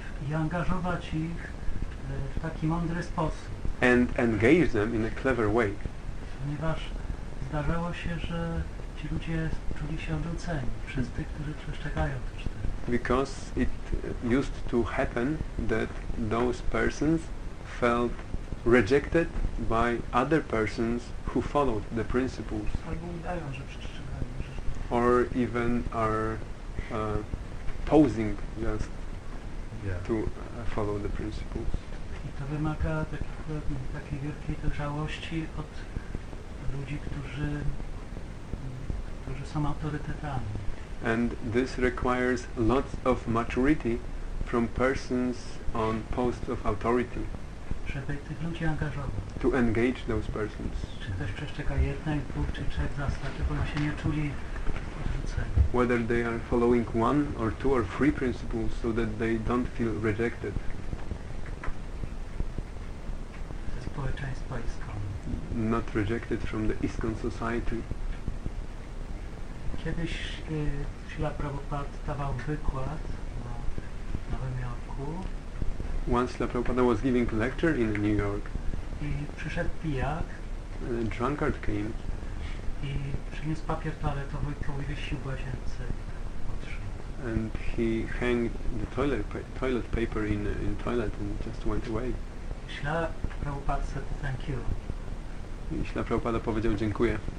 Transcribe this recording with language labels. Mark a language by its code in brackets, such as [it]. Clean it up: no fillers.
[pl] I angażować ich w taki mądry sposób. [en] And engage them in a clever way. [pl] Ponieważ zdarzało się, że ci ludzie czuli się odrzuceni przez tych, którzy przestrzegają te cztery. [en] Because it used to happen that those persons felt rejected by other persons who followed the principles. [pl] Albo udają, że przestrzegają. [en] Or even are posing just to follow the principles. [pl] I to wymaga takiej wielkiej dojrzałości od ludzi, którzy są autorytetami. [en] And this requires lots of maturity from persons on posts of authority. [pl] Żeby tych ludzi angażować. [en] To engage those persons. [pl] Czy ktoś przestrzega jednej, dwóch czy trzech zasad, żeby się nie czuli odrzuceni. [en] Whether they are following one or two or three principles so that they don't feel rejected. [pl] Ze społeczeństwa ISKCON. [en] Not rejected from the ISKCON society. [pl] Kiedyś Śrila Prabhupada dawał wykład na Nowym Jorku. Yorku. [en] Once Śrīla Prabhupāda was giving lecture in New York. [pl] I przyszedł pijak. [en] And a drunkard came. [pl] I przyniósł papier toaletowy, który wywiesił w łazience. [en] And he hanged the toilet paper in toilet and just went away. Śrīla Prabhupāda said thank you. [pl] I Śrīla Prabhupāda powiedział dziękuję.